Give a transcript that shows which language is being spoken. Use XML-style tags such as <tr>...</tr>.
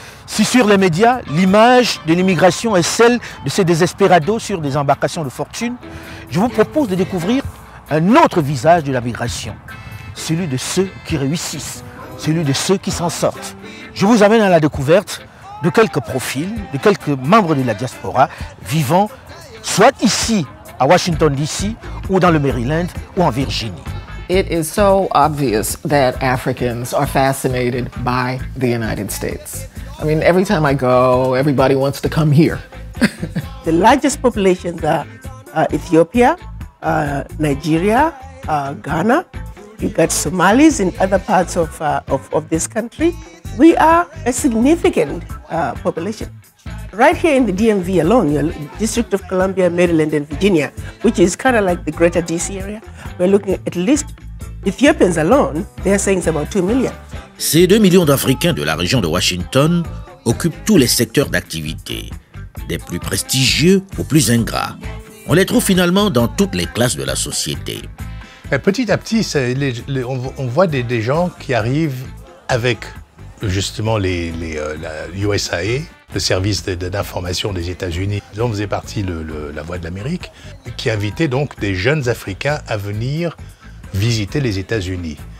<fr>Si sur les médias, l'image de l'immigration est celle de ces desesperados sur des embarcations de fortune, je vous propose de découvrir un autre visage de la migration, celui de ceux qui réussissent, celui de ceux qui s'en sortent. Je vous amène à la découverte de quelques profils, de quelques membres de la diaspora vivant soit ici à Washington DC ou dans le Maryland ou en Virginie.</fr> <en>It is so obvious that Africans are fascinated by the United States. I mean, every time I go, everybody wants to come here. The largest populations are Ethiopia, Nigeria, Ghana. You got Somalis in other parts of this country. We are a significant population. Right here in the DMV alone, your District of Columbia, Maryland, and Virginia, which is kind of like the greater DC area, we're looking at least Ethiopians alone, they're saying it's about 2 million.</en> <fr>Ces 2 millions d'Africains de la région de Washington occupent tous les secteurs d'activité, des plus prestigieux aux plus ingrats. On les trouve finalement dans toutes les classes de la société. Mais petit à petit, on voit des gens qui arrivent avec justement la USAA, le service d'information des États-Unis, dont faisait partie la Voix de l'Amérique, qui invitait donc des jeunes Africains à venir visiter les États-Unis.</fr>